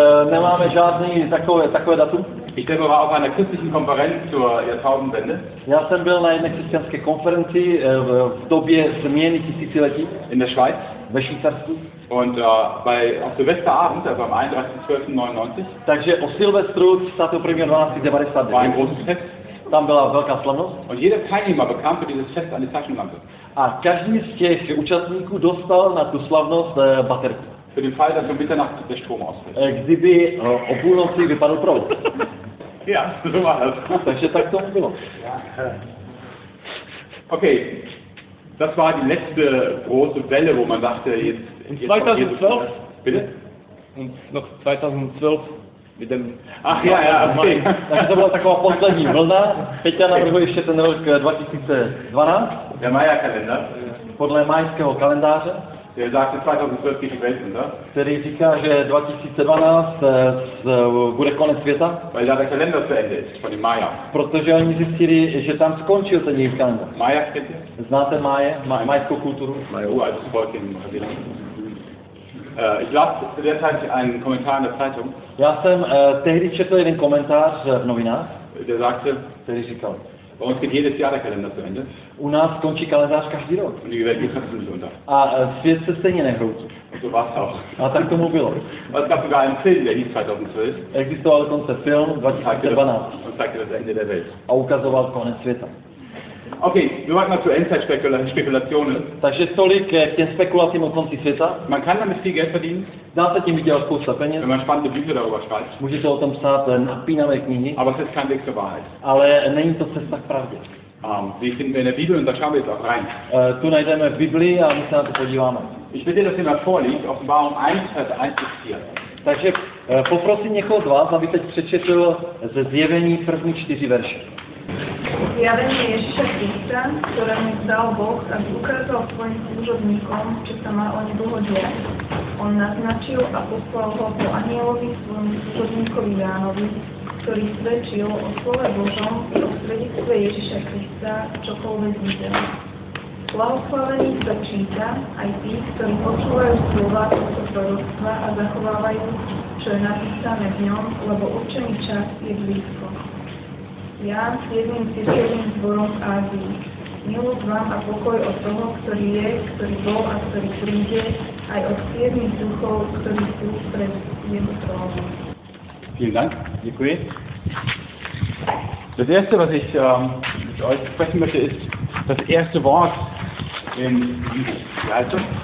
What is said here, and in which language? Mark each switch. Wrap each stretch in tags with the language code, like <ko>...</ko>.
<cs>nemáme žádný takové datum.</cs> <de>Ich selber war auf einer christlichen Konferenz zur Jahrtausendwende.</de> <cs>Já jsem byl na jedné křesťanské konferenci v době změny tisíciletí.</cs> <de>In der Schweiz.</de> <cs>Ve Švýcarsku.</cs> <de>Und auf Silvesterabend, also am 31.12.99.</de> <cs>Takže o Silvestru 31.12.99.</cs> <de>War ein großes Fest.</de> <cs>Tam byla velká slavnost.</cs> <de>Und jeder Teilnehmer bekam für dieses Fest eine Taschenlampe.</de> <cs>A každý z těch účastníků dostal na tu slavnost baterku.</cs> <de>Für den Fall, dass um Mitternacht der Strom ausfällt.</de> <cs>Kdyby o půlnoci vypadl proud.</cs> <de>Ja, so war das.</de> <cs>Takže tak to bylo.</cs> <de>Okay, das war die letzte große Welle, wo man dachte, jetzt... In 2012? Bitte? Und noch 2012 mit dem... Ach ja, ja, okay.</de> <cs>Takže to byla taková poslední vlna. Peťa navrhuje ještě ten rok 2012.</cs> <de>Der Maya-Kalender.</de> <cs>Podle majského kalendáře.</cs> <de>Der sagte 2012 geht die Welt unter.</de> <cs>Který říká, že 2012 bude konec světa.</cs> <de>Weil da der Kalender zu Ende ist, von dem Maya.</de> <cs>Protože oni zjistili, že tam skončil ten jejich kalendář. Maya, kdyby? Znáte Maya, majskou kulturu?</cs> <de>Maya, altes Volk in Brasilien. Ich las derzeit einen Kommentar in der Zeitung.</de> <cs>Já jsem tehdy četl jeden komentář v novinách.</cs> <de>Der sagte,</de> <cs>který říkal.</cs> <de>Bei uns geht jedes Jahr der Kalender zu Ende.</de> <cs>U nás skončí kalendář každý rok.</cs> <de>Und die Welt geht trotzdem nicht unter.</de> <cs>A svět se stejně nehroutí.</cs> <de>So war's auch.</de> <cs>A tak tomu bylo.</cs> <de>Es gab sogar einen Film, der hieß 2012.</de> <cs>Existoval dokonce film 2012.</cs> <de>Und zeigte das Ende der Welt.</de> <cs>A ukazoval konec světa.</cs> <de>Okay, wir machen mal zu Endzeit-Spekulationen.</de> <cs>Takže tolik k těm spekulacím o konci světa.</cs> <de>Man kann damit viel Geld verdienen.</de> <cs>Dá se tím vydělat spousta peněz.</cs> <de>Wenn man spannende Bücher darüber schreibt.</de> <cs>Můžete o tom psát napínavé knihy.</cs> <de>Aber es ist kein Weg zur Wahrheit.</de> <cs>Ale není to cesta k pravdě.</cs> <de>Wie finden wir in der Bibel und da schauen wir jetzt auch rein.</de> <cs>Tu najdeme v Biblii a my se na to podíváme.</cs> <de>Ich bitte, dass ihr mal vorliest, Offenbarung 1, Vers 1-4.</de> <cs>Takže poprosím někoho z vás, aby teď přečetl ze Zjevení první čtyři verše.</cs> <sk>Zjavenie Ježíša Krista, ktoré mu dal Boh, aby ukázal svojim služobníkom, čo sa má o nedlho diať. On naznačil a poslal ho po anielovi svojmu služobníkovi Jánovi, ktorý svedčil o slove Božom i o svedectve Ježíša Krista, čokoľvek videl. Blahoslavení sa číta aj tí, ktorí počúvajú slova tohto proroctva a zachovávajú, čo je napísané v ňom, lebo určený čas je blízko. Ján s jedným cirkevným zborom v Ázii. Milosť vám a pokoj od toho, ktorý je, ktorý bol a ktorý príde, aj od siedmých duchov, ktorí sú pred jeho trónom.</sk> <de>Vielen Dank.</de> <cs>Děkuji.</cs> <de>Das erste, was ich mit euch sprechen möchte, ist das erste Wort in Jesus.</de>